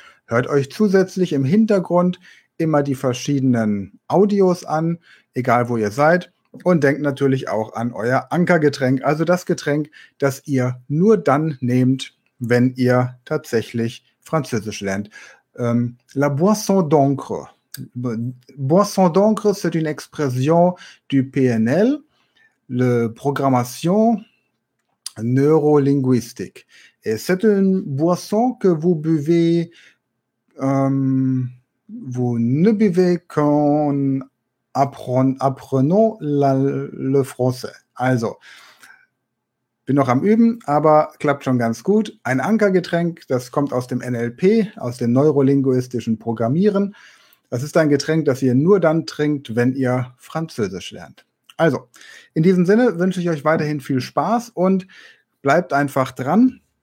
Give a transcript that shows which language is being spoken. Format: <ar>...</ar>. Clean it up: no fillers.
<de>Hört euch zusätzlich im Hintergrund immer die verschiedenen Audios an, egal wo ihr seid. Und denkt natürlich auch an euer Ankergetränk, also das Getränk, das ihr nur dann nehmt, wenn ihr tatsächlich Französisch lernt.</de> <fr>La boisson d'encre. Boisson d'encre, c'est une expression du PNL, le programmation neurolinguistique. Et c'est une boisson que vous buvez, vous ne buvez qu'en apprenons le français.</fr> <de>Also, bin noch am Üben, aber klappt schon ganz gut. Ein Ankergetränk, das kommt aus dem NLP, aus dem neurolinguistischen Programmieren. Das ist ein Getränk, das ihr nur dann trinkt, wenn ihr Französisch lernt. Also, in diesem Sinne wünsche ich euch weiterhin viel Spaß und bleibt einfach dran.</de>